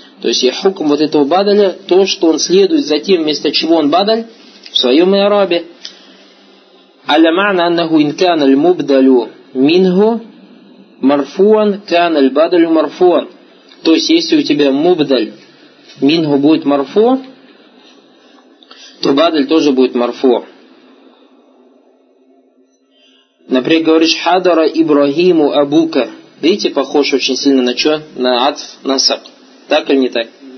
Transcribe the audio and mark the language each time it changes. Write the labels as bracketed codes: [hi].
[ru] То есть и хукм вот этого бадаля, то, что он следует за тем, вместо чего он бадаль, в своем арабе. [ar] على معنى أنه إن كان المبدل منه مرفوعا كان البدل مرفوعا. [ru] То есть если у тебя мубдаль минху будет марфу, то бадаль тоже будет марфу. Например, говоришь «Хадара Ибрагиму Абука». Видите, похож очень сильно на что? На «Атф Насак». Так или не так?